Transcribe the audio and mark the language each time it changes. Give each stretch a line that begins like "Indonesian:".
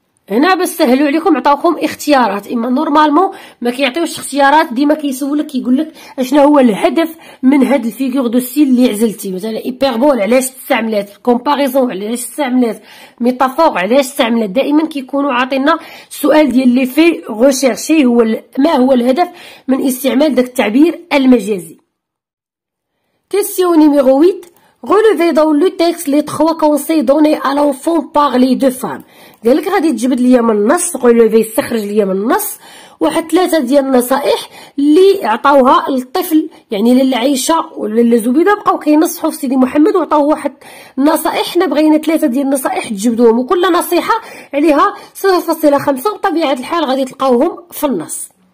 Arabic: هنا باش سهلوا عليكم عطاوكم اختيارات، اما نورمالمون ما كيعطيوش اختيارات، ديما كيسولك كيقول لك اشنا هو الهدف من هاد الفيغور دو ستيل اللي عزلتي، مثلا ايبربول علاش استعملات، كومباريزون علاش استعملات، ميتافور علاش استعملات. دائما كيكونوا عاطينا السؤال ديال اللي في غوشيرشي هو ما هو الهدف من استعمال داك التعبير المجازي.
French: كيسيو نيميرو 8 Relevez dans le texte les trois conseils donnés à l'enfant par les deux femmes.
Arabic: قالك غادي تجبد ليا من النص، relevez استخرج ليا من النص واحد ثلاثة ديال النصائح اللي عطاوها للطفل، يعني للعائشة ولا للزبيدة بقاو كينصحوا في سيدي محمد وعطاوه واحد النصائح، حنا بغينا ثلاثة ديال النصائح تجبدوهم، وكل نصيحة عليها 0.5 بطبيعة الحال غادي تلقاوهم في النص.